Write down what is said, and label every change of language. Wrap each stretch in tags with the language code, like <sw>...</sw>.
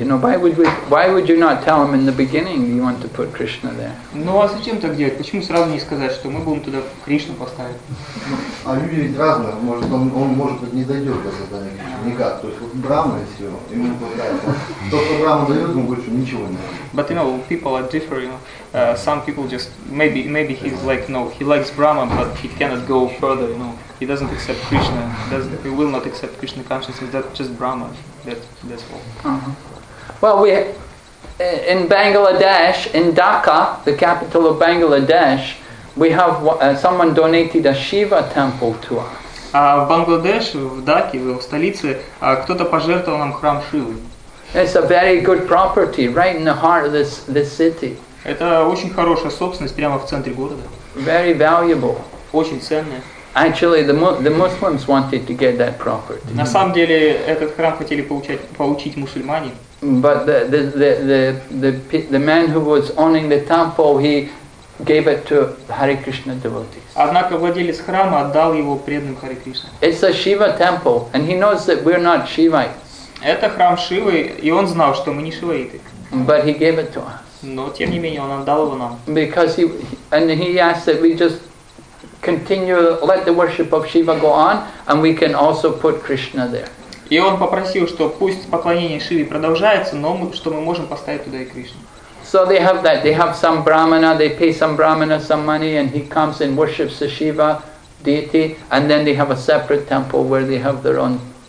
<en>Why would you not tell him in the beginning you want to put Krishna there?</en> <ru>Ну а зачем так делать? Почему сразу не сказать, что мы будем туда Кришну поставить? А люди ведь разные. Может быть, не дойдет до создания Кришны никак. То есть вот Брама и все, ему не понравится. То, что Брама дает, ему больше ничего не дает.</ru> <en>But people are different. Some people just maybe he's like he likes Brahma, but he cannot go further. He doesn't accept Krishna. He will not accept Krishna consciousness. That's just Brahma. That's all. Uh-huh. Well, we in Bangladesh, in Dhaka, the capital of Bangladesh, we have someone donated a Shiva temple to us.</en> <ru>В Бангладеш, в Даке, в столице, кто-то пожертвовал нам храм Шивы.</ru> <en>It's a very good property, right in the heart of this city.</en> <ru>Это очень хорошая собственность прямо в центре города.</ru> <en>Very valuable.</en> <ru>Очень ценная.</ru> <en>Actually, the Muslims wanted to get that property.</en> <ru>На самом деле этот храм хотели получить мусульмане.</ru> <en>But the man who was owning the temple, he gave it to Hare Krishna devotees.</en> <ru>Однако владелец храма отдал его преданным Харе Кришне.</ru> <en>It's a Shiva temple, and he knows that we're not Shivites.</en> <ru>Это храм Шивы, и он знал, что мы не шиваиты.</ru> <en>But he gave it to us.</en> <ru>Но тем не менее он отдал его нам.</ru> <en>Because he asked that we just continue let the worship of Shiva go on, and we can also put Krishna there.</en> <ru>И он попросил, что пусть поклонение Шиве продолжается, но что мы можем поставить туда и Кришну.</ru> <en>So they have that. They have some brahmana. They pay some brahmana some money, and he comes and worships the Shiva deity, and then they have a separate temple where they have their own.</en>